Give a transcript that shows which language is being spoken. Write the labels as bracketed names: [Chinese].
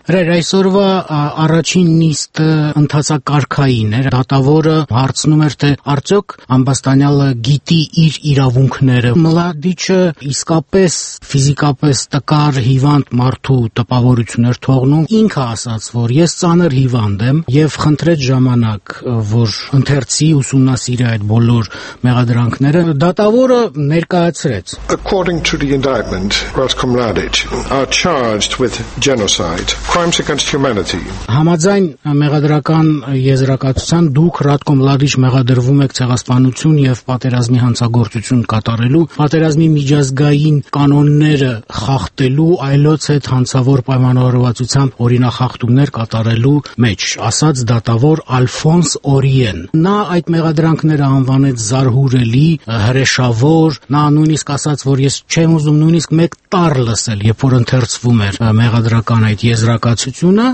[Armenian] Ռեր, այսօրվա առաջին նիստը ընթացակարգային էր։ Դատավորը հարցնում էր, թե արդյոք ամբաստան Անյալը գիտի իր իրավունքները։ Մլադիչը իսկապես ֆիզիկապես տկար հիվանդ մարդու տպավորություններ թողնում։ Ինքը ասաց, որ ես ծանր հիվանդ եմ եւ խնդրեց ժամանակ, որ ընթերցի ուսումնասիրի այդ բոլոր մեղադրանքները։ Դատավորը ներկայացրեց. [English] According to the indictment, Ratko Mladic are charged with genocide, crimes against humanity. [Armenian] Համաձայն մեղադրական եզրակացության, դուք Ratko Mladic մեղադրվում եք ցեղասպանություն և պատերազմի հանցագործություն կատարելու, պատերազմի միջազգային կանոնները խախտելու, այլոց հետ հանցավոր պայմանավորվածությամբ օրինախախտումներ կատարելու մեջ, ասաց դատավոր Ալֆոնս Օրիեն։ Նա այդ մեղադրանքները անվանեց զարհուրելի, հրեշավոր, նա նույնիսկ ասաց, որ ես չեմ ուզում նույնիսկ մեկ տառ լսել, երբ որ ընթերցվում էր մեղադրական այդ եզրակացությունը։